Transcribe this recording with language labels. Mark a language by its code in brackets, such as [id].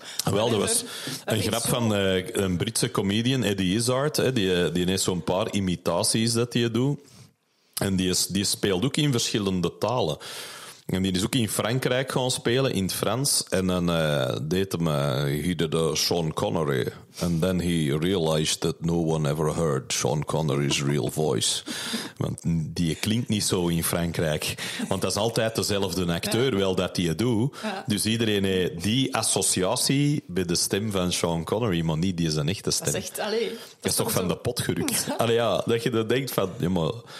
[nl] Wel, dat was een grap van een Britse comedian, Eddie Izzard. Die heeft zo'n paar imitaties dat hij doet. En die speelt ook in verschillende talen. En die is ook in Frankrijk gaan spelen, in het Frans. En dan deed hem, [en] he did Sean Connery. And then he realized that no one ever heard Sean Connery's real voice. [nl] Want die klinkt niet zo in Frankrijk. Want dat is altijd dezelfde acteur, wel dat hij het doet. Ja. Dus iedereen heeft die associatie bij de stem van Sean Connery, maar niet die zijn echte stem. Dat is echt, allee. Dat is toch van de pot gerukt. Allee, ja, dat je dan denkt van, ja, maar...